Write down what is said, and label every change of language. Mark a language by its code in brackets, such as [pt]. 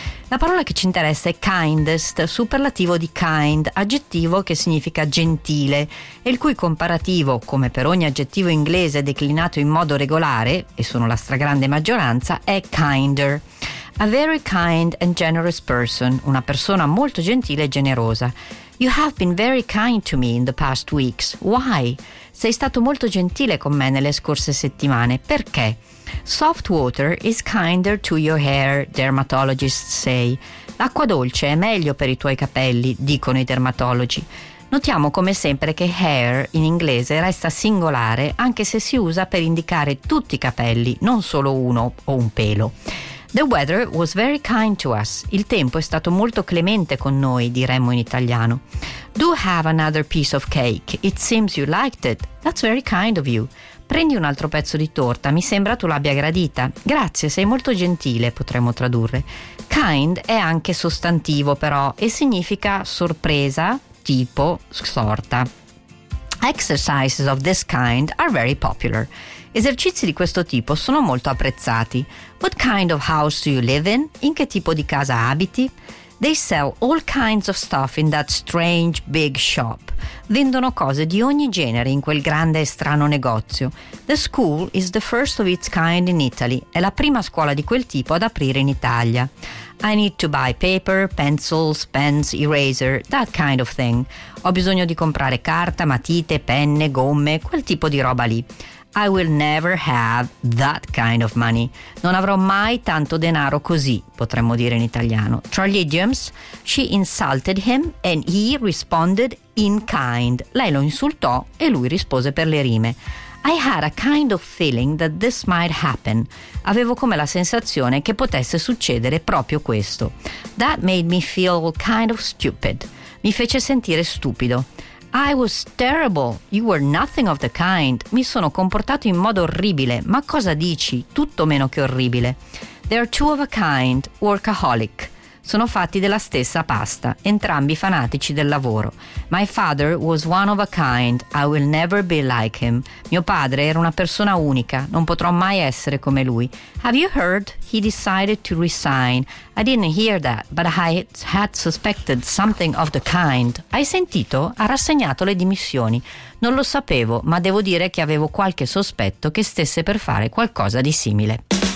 [it] La parola che ci interessa è kindest, superlativo di kind, aggettivo che significa gentile, e il cui comparativo, come per ogni aggettivo inglese declinato in modo regolare, e sono la stragrande maggioranza, è kinder. [en] A very kind and generous person, [it] una persona molto gentile e generosa. [en] You have been very kind to me in the past weeks. Why? [it] Sei stato molto gentile con me nelle scorse settimane. Perché? [en] Soft water is kinder to your hair, dermatologists say. [it] L'acqua dolce è meglio per i tuoi capelli, dicono i dermatologi. Notiamo come sempre che hair in inglese resta singolare anche se si usa per indicare tutti i capelli, non solo uno o un pelo. [en] The weather was very kind to us. [it] Il tempo è stato molto clemente con noi, diremmo in italiano. [en] Do have another piece of cake. It seems you liked it. That's very kind of you. [it] Prendi un altro pezzo di torta, mi sembra tu l'abbia gradita. Grazie, sei molto gentile, potremmo tradurre. Kind è anche sostantivo però e significa sorpresa, tipo, sorta. [en] Exercises of this kind are very popular. [it] Esercizi di questo tipo sono molto apprezzati. [en] What kind of house do you live in? [it] In che tipo di casa abiti? [en] They sell all kinds of stuff in that strange big shop. [it] Vendono cose di ogni genere in quel grande e strano negozio. [en] The school is the first of its kind in Italy. [it] È la prima scuola di quel tipo ad aprire in Italia. [en] I need to buy paper, pencils, pens, eraser, that kind of thing. [it] Ho bisogno di comprare carta, matite, penne, gomme, quel tipo di roba lì. [en] I will never have that kind of money. [it] Non avrò mai tanto denaro così, potremmo dire in italiano. Tra gli idioms, [en] she insulted him and he responded in kind. [it] Lei lo insultò e lui rispose per le rime. [en] I had a kind of feeling that this might happen. [it] Avevo come la sensazione che potesse succedere proprio questo. [en] That made me feel kind of stupid. [it] Mi fece sentire stupido. [en] I was terrible. You were nothing of the kind. [it] Mi sono comportato in modo orribile. Ma cosa dici? Tutto meno che orribile. [en] They are two of a kind, workaholic. [it] Sono fatti della stessa pasta, entrambi fanatici del lavoro. [en] My father was one of a kind. I will never be like him. [it] Mio padre era una persona unica. Non potrò mai essere come lui. [en] Have you heard? He decided to resign. I didn't hear that, but I had suspected something of the kind. [it] Hai sentito? Ha rassegnato le dimissioni. Non lo sapevo, ma devo dire che avevo qualche sospetto che stesse per fare qualcosa di simile.